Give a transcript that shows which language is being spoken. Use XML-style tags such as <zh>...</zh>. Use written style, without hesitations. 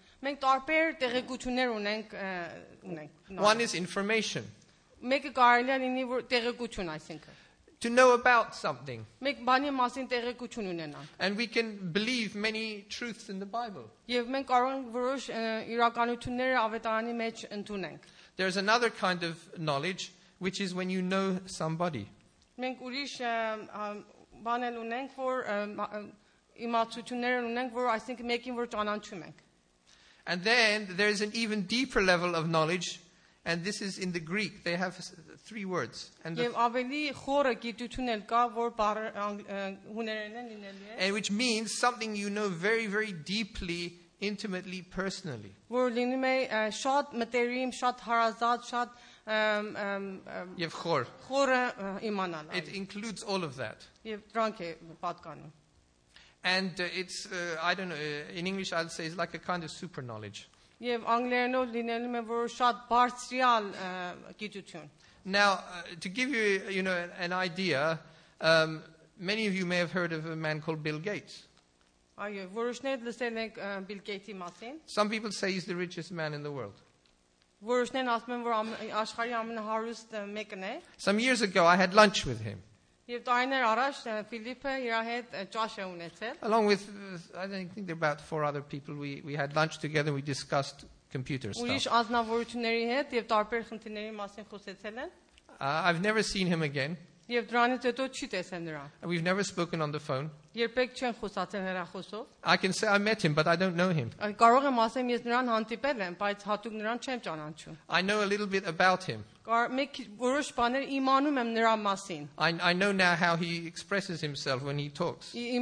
<hy>Մենք տարբեր տեղեկություններ ունենք</hy> <en>One is information.</en> <hy>Մեկը կարելի է լինի որ տեղեկություն, այսինքն.</hy> <en>To know about something.</en> <hy>Մենք բանի մասին տեղեկություն ունենանք.</hy> <en>And we can believe many truths in the Bible.</en> <hy>Եվ մենք կարող ենք որոշ իրականությունները ավետարանի մեջ ընդունենք.</hy> <en>There is another kind of knowledge, which is when you know somebody.</en> <hy>Մենք ուրիշ բաներ ունենք որ իմացություններն ունենք, որ այսինքն մեկին որ ճանաչում ենք.</hy> <en>And then there is an even deeper level of knowledge, and this is in the Greek. They have three words. And</en> <hy>Եվ ավելի խորը գիտություն էլ կա, որ բառ հուներենն լինելու է.</hy> <en>And which means something you know very, very deeply, intimately, personally.</en> <hy>Որ լինում է շատ մտերիմ, շատ հարազատ, շատ Եվ խոր. Խորը իմանալ.</hy> <en>It includes all of that.</en> <hy>Եվ դրանք է պատկանում.</hy> <en>And it's, I don't know, in English I'd say it's like a kind of super knowledge.</en> <hy>Եվ անգլերենով լինելու է որ շատ բարձրյալ գիտություն.</hy> <en>Now, to give you, you know, an idea, many of you may have heard of a man called Bill Gates.</en> <hy>Այո, որոշներ լսել ենք Bill Gates-ի մասին.</hy> <en>Some people say he's the richest man in the world.</en> <hy>Որոշներն ասում են, որ աշխարհի ամենահարուստ մեկն է.</hy> <en>Some years ago I had lunch with him.</en> <hy>Եվ տարիներ առաջ Ֆիլիպը իր հետ ճաշ է ունեցել.</hy> <en>Along with I don't think there about four other people we had lunch together and we discussed computer stuff.</en> <hy>Ուրիշ ազնվորությունների հետ եւ տարբեր խնդիրների մասին խոսեցել են.</hy> <en>I've never seen him again.</en> <hy>Եվ դրանից հետո չի տեսել նրան.</hy> <en>We've never spoken on the phone.</en> <hy>Երբեք չեն խոսացել հեռախոսով.</hy> <en>I can say I met him but I don't know him.</en> <hy>Կարող եմ ասեմ ես նրան հանդիպել եմ, բայց հատուկ նրան չեմ ճանաչում.</hy> <en>I know a little bit about him. I know now how he expresses himself when he talks.</en>